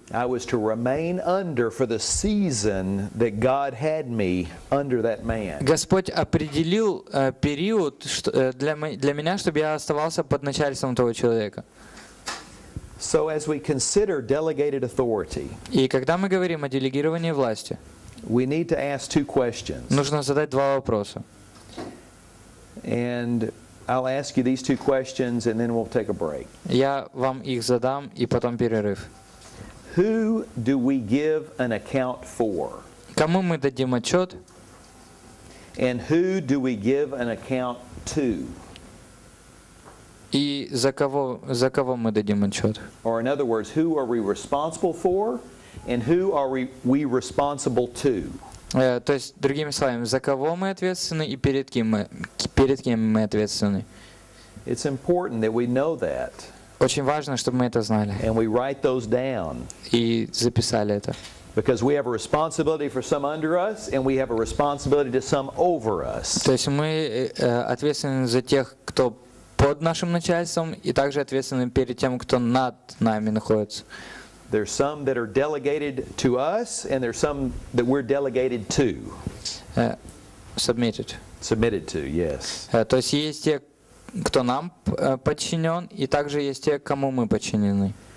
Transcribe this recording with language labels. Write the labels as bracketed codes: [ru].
[en] I was to remain under for the season that God had me under that man. [ru] Господь определил период для меня, чтобы я оставался под начальством того человека. [en] So as we consider delegated authority, [ru] и когда мы говорим о делегировании власти, [en] we need to ask two questions. [ru] Нужно задать два вопроса. [en] And I'll ask you these two questions and then we'll take a break. [ru] Я вам их задам и потом перерыв. [en] Who do we give an account for? [ru] Кому мы дадим отчет? [en] And who do we give an account to? [ru] И за кого мы дадим отчет? [en] Or in other words, who are we responsible for and who are we responsible to? [ru] То есть, другими словами, за кого мы ответственны и перед кем мы ответственны. [en] It's important that we know that. [ru] Очень важно, чтобы мы это знали. [en] And we write those down. [ru] И записали это. [en] Because we have a responsibility for some under us, and we have a responsibility to some over us. [ru] То есть, мы ответственны за тех, кто под нашим начальством, и также ответственны перед тем, кто над нами находится. [en] There's some that are delegated to us, and there's some that we're delegated to. Submitted. Submitted to, yes. [ru] То есть есть те, кто нам подчинен, и также есть те, кому мы подчинены.